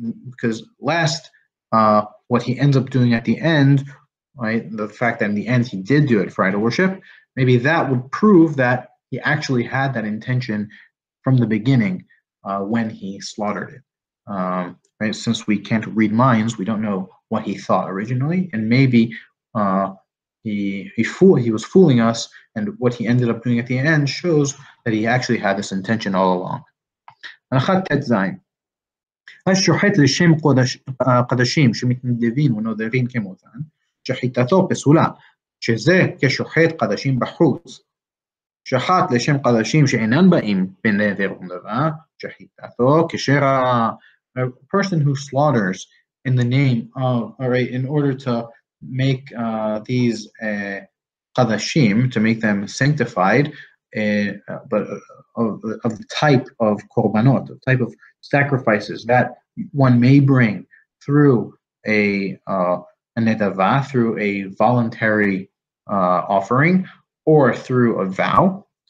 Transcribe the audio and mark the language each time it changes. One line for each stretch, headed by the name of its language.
English: Because last, what he ends up doing at the end, right, the fact that in the end he did do it for idol worship, maybe that would prove that he actually had that intention from the beginning when he slaughtered it. Right, since we can't read minds, we don't know what he thought originally, and maybe he was fooling us, and what he ended up doing at the end shows that he actually had this intention all along.
Hebrew: השוחט לשם קדשים שמתנדבים ונודרים כמותן, שחיטתו פסולה, שזה כשוחט קדשים בחוץ. שחט לשם קדשים שאינן באים בנדר ונדבה, שחיטתו כשר
English: a person who slaughters in the name of, all right, in order to make these קדשים, to make them sanctified, but of the type of korbanot, the type of sacrifices that one may bring through a netava, through a voluntary offering, or through a vow,